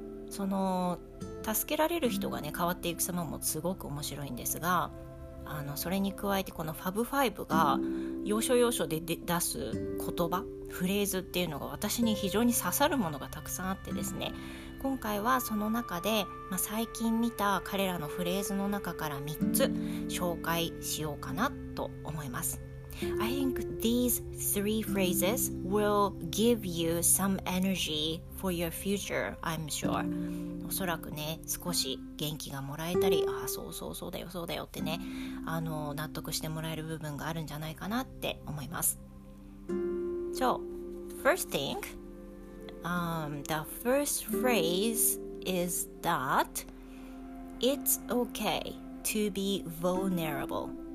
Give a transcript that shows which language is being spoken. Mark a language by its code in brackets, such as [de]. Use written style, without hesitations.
[ja] その助けられる人がね、変わっていく様もすごく面白いんですが、それに加えてこのファブファイブが要所要所で出す言葉フレーズっていうのが私に非常に刺さるものがたくさんあってですね、今回はその中で、最近見た彼らのフレーズの中から3つ紹介しようかなと思います。 [en] I think these three phrases will give you some energy for your future, I'm sure. [ja] おそらくね、少し元気がもらえたり、ああそうそうそうだよそうだよってね、納得してもらえる部分があるんじゃないかなって思います。 [en] So, first thing, the first phrase is that it's okay to be vulnerable.